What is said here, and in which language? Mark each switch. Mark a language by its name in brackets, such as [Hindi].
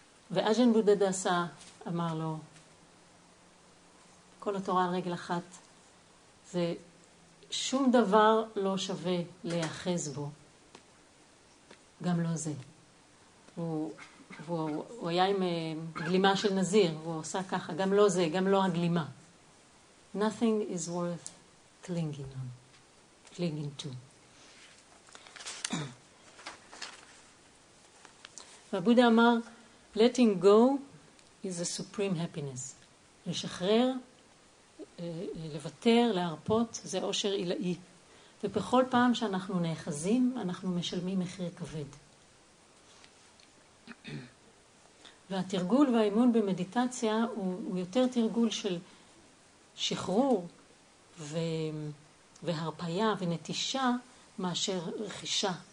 [Hebrew] ואג'אן בודדסה אמר לו, כל התורה על רגל אחת, זה שום דבר לא שווה להיאחז בו. גם לא זה. הוא היה עם גלימה של נזיר, הוא עושה ככה, גם לא זה, גם לא הגלימה. [English] Nothing is worth clinging on, clinging to. [Hebrew] והבודה אמר, letting go is a supreme happiness. לשחרר, לוותר, להרפות, זה עושר אילאי. ובכל פעם שאנחנו נאחזים, אנחנו משלמים מחיר כבד. והתרגול והאימון במדיטציה הוא יותר תרגול של שחרור והרפיה ונטישה מאשר רכישה.